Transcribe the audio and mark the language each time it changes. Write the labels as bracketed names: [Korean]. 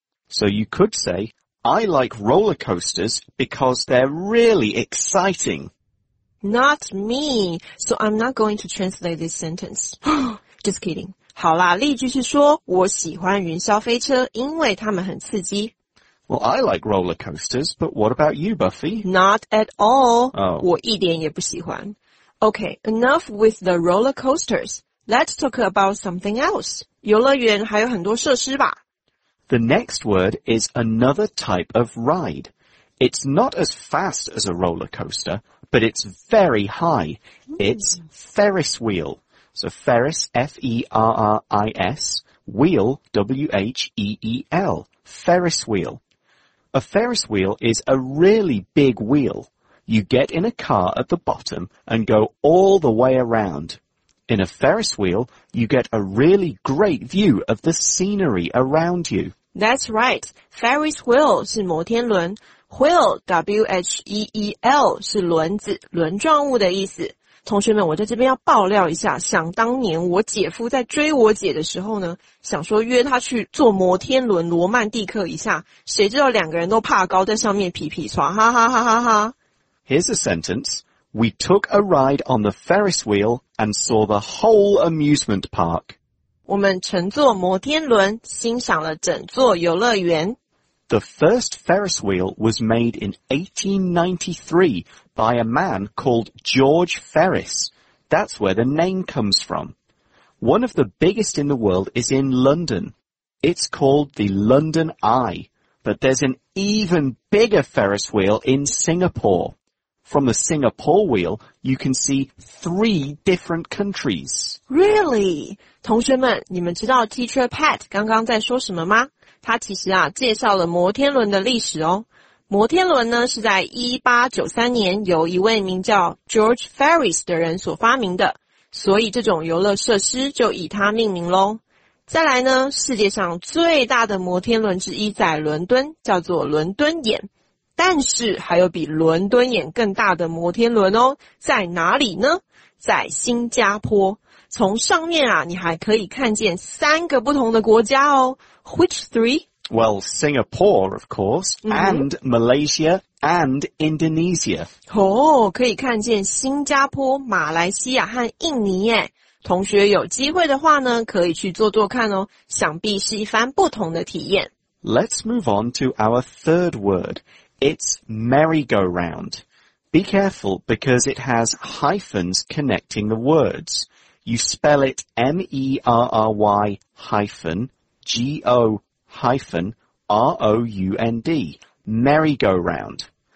[English] So you could say, I like roller coasters because they're really exciting. Not me, so I'm not going to translate this sentence. Just kidding. [Chinese] 好啦，例句是说，我喜欢云霄飞车，因为它们很刺激。 [English] Well, I like roller coasters, but what about you, Buffy? Not at all. Oh. [Chinese] 我一点也不喜欢。 [English] Okay, enough with the roller coasters. Let's talk about something else. [Chinese] 游乐园还有很多设施吧。 [English] The next word is another type of ride. It's not as fast as a roller coaster,But it's very high. It's Ferris wheel. So Ferris, F-E-R-R-I-S, wheel, W-H-E-E-L, Ferris wheel. A Ferris wheel is a really big wheel. You get in a car at the bottom and go all the way around. In a Ferris wheel, you get a really great view of the scenery around you. That's right. [Chinese] Ferris wheel 是摩天轮。Wheel, W-H-E-E-L, 是轮子、轮状物的意思。同学们，我在这边要爆料一下，想当年我姐夫在追我姐的时候呢，想说约她去坐摩天轮罗曼蒂克一下，谁知道两个人都怕高，在上面皮皮刷，哈哈哈哈哈。 [English] Here's a sentence. We took a ride on the Ferris wheel and saw the whole amusement park. [Chinese] 我们乘坐摩天轮，欣赏了整座游乐园。 [English] The first Ferris wheel was made in 1893 by a man called George Ferris. That's where the name comes from. One of the biggest in the world is in London. It's called the London Eye. But there's an even bigger Ferris wheel in Singapore. From the Singapore wheel, you can see three different countries. Really? [Chinese] 同学们，你们知道 Teacher Pat 刚刚在说什么吗？他其实啊介绍了摩天轮的历史哦。摩天轮呢是在1893年由一位名叫 George Ferris 的人所发明的，所以这种游乐设施就以他命名咯。再来呢，世界上最大的摩天轮之一在伦敦，叫做伦敦眼。但是还有比伦敦眼更大的摩天轮哦，在哪里呢？在新加坡。从上面啊，你还可以看见三个不同的国家哦。 [English] Which three? Well, Singapore, of course,、mm-hmm. and Malaysia and Indonesia. [Chinese] Oh, 可以看见新加坡、马来西亚和印尼耶。同学有机会的话呢，可以去坐坐看哦，想必是一番不同的体验。 [English] Let's move on to our third word. It's merry-go-round. Be careful because it has hyphens connecting the words. You spell it M-E-R-R-Y hyphen. G-O-R-O-U-N-D, merry-go-round.